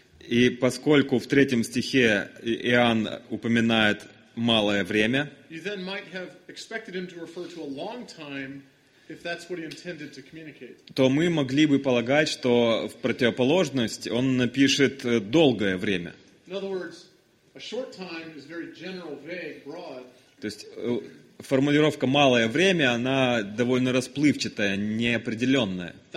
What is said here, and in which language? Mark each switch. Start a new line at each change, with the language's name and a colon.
Russian: и поскольку в третьем стихе Иоанн упоминает малое время,
English: you then might have expected him to refer to a long time if that's what he intended to communicate.
Russian: То мы могли бы полагать, что в противоположность он напишет долгое время.
English: In other words, a short time is very general, vague, broad.
Russian: То есть формулировка «малое время», она довольно расплывчатая, неопределенная.